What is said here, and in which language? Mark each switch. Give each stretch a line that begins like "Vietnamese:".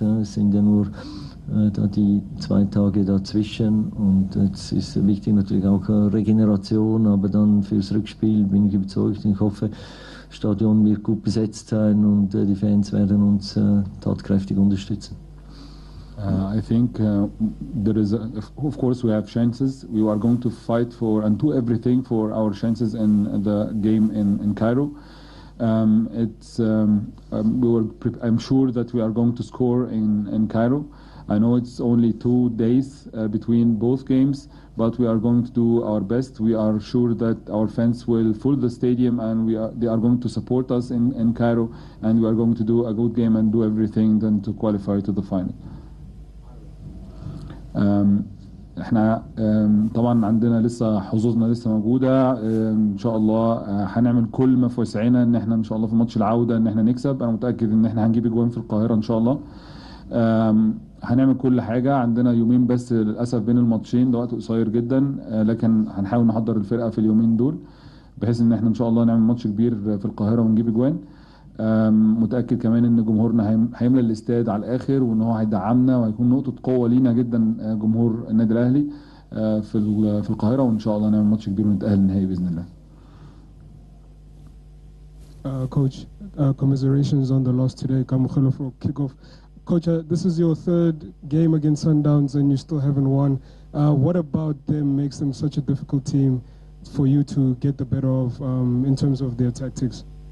German: Es sind ja nur da die zwei Tage dazwischen. Und es ist wichtig natürlich auch Regeneration. Aber dann fürs Rückspiel bin ich überzeugt. Ich hoffe, das Stadion wird gut besetzt sein und die Fans werden uns tatkräftig unterstützen.
English: I think there is, of course, we have chances. We are going to fight for and do everything for our chances in the game in Cairo. It's we will I'm sure that we are going to score in Cairo. I know it's only 2 days between both games, but we are going to do our best. We are sure that our fans will fill the stadium and they are going to support us in Cairo, and we are going to do a good game and do everything then to qualify to the final.
Arabic: احنا طبعا عندنا لسه حظوظنا لسه موجودة ان شاء الله هنعمل كل ما في وسعنا ان احنا ان شاء الله في ماتش العودة ان احنا نكسب انا متأكد ان احنا هنجيب جوان في القاهرة ان شاء الله هنعمل كل حاجة عندنا يومين بس للأسف بين الماتشين ده وقت قصير جدا لكن هنحاول نحضر الفرقة في اليومين دول بحيث ان احنا ان شاء الله نعمل ماتش كبير في القاهرة ونجيب جوان متأكد كمان ان جمهورنا هيملى الاستاد على الاخر وان هو هيدعمنا وهيكون نقطة قوة لينا جدا جمهور النادي الاهلي في القاهرة وان شاء الله نعمل ماتش كبير ونتأهل النهائي بإذن الله.
English: Coach, commiserations on the loss today. كم خلو for kickoff. Coach, this is your third game against Sundowns and you still haven't won. What about them makes them such a difficult team for you to get the better of in terms of their tactics?